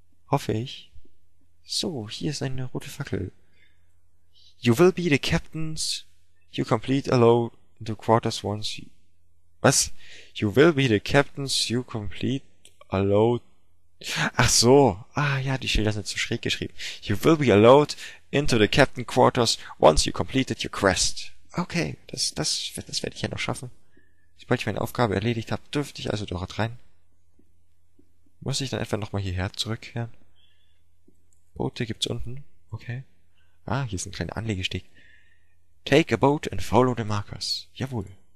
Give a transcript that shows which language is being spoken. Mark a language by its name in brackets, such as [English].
[German] Hoffe ich. So, hier ist eine rote Fackel. [English] You will be the captains. You complete allow the quarters once you. [German] Was? [English] You will be the captains. You complete allow. [German] Ach so. Ah ja, die Schilder sind zu schräg geschrieben. [English] You will be allowed into the captain quarters once you completed your quest. [German] Okay, das werde ich ja noch schaffen. Sobald ich meine Aufgabe erledigt habe, dürfte ich also dort rein. Muss ich dann etwa nochmal hierher zurückkehren? Boote gibt's unten. Okay. Ah, hier ist ein kleiner Anlegesteg. [English] Take a boat and follow the markers. [German] Jawohl.